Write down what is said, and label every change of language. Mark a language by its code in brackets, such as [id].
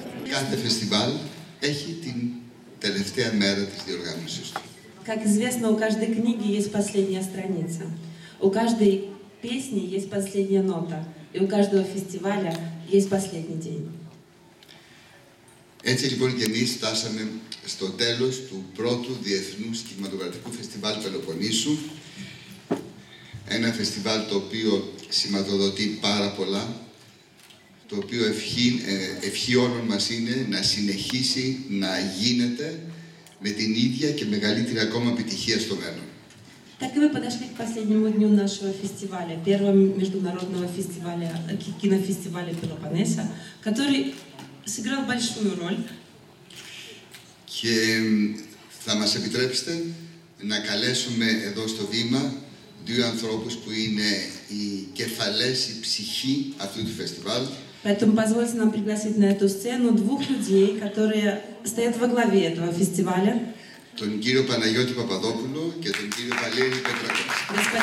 [el] Κάθε φεστιβάλ έχει την τελευταία μέρα της διοργάνωσης του. [ru] Как известно, у каждой книги есть последняя страница. У каждой песни есть последняя нота. И у каждого фестиваля есть последний день. [el] Έτσι λοιπόν και εμείς φτάσαμε στο τέλος του πρώτου διεθνού κινηματογραφικού φεστιβάλ Πελοποννήσου. Ένα φεστιβάλ το οποίο σηματοδοτεί πάρα πολλά, το οποίο ευχή όλων μας είναι να συνεχίσει να γίνεται με την ίδια και μεγαλύτερη ακόμα επιτυχία στο μέλλον. [ru] Так и мы подошли к последнему дню нашего фестиваля, первого международного фестиваля, кинофестиваля Пелопоннеса, который сыграл большую роль. [el] Και θα μας επιτρέψετε να καλέσουμε εδώ στο Βήμα δύο ανθρώπους που είναι οι κεφαλές, η ψυχή αυτού του φεστιβάλ. [ru] Поэтому позвольте нам пригласить на эту сцену двух людей, которые стоят во главе этого фестиваля. [el] Τον κύριο Παναγιώτη Παπαδόπουλο και τον κύριο Βαλέρη Πετρακόπουλο.